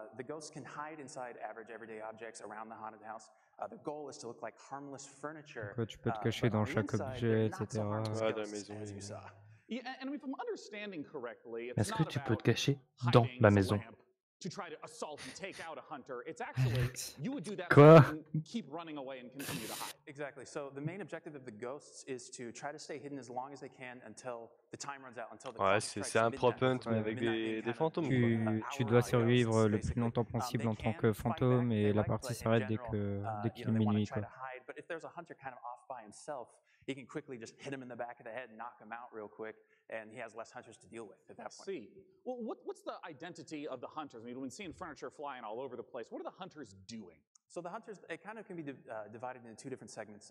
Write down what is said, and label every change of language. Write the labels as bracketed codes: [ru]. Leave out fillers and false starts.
[en] The ghosts can hide inside average everyday objects around the haunted house. The goal is to look like harmless furniture. [fr] Quoi, tu peux te cacher dans chaque objet, etc. [en] And if I'm understanding correctly, it's not. [fr] Est-ce que tu peux te cacher dans la maison? [en] To try to assault and take out a hunter, it's actually you would do that and keep running away and continue to hide. Exactly. So the main objective of the ghosts is to try to stay hidden as long as they can until the time runs out. Until the [fr] ouais, c'est un prop hunt mais avec des fantômes. Tu dois survivre le plus longtemps possible en tant que fantôme et la partie s'arrête dès qu'il est minuit. Quoi. [en] Hide, but if there's a hunter kind of off by himself, he can quickly just hit him in the back of the head and knock him out real quick. And he has less hunters to deal with at that point. I see. Well, what's the identity of the hunters? I mean, when seeing furniture flying all over the place, what are the hunters doing? So the hunters, it kind of can be divided into two different segments.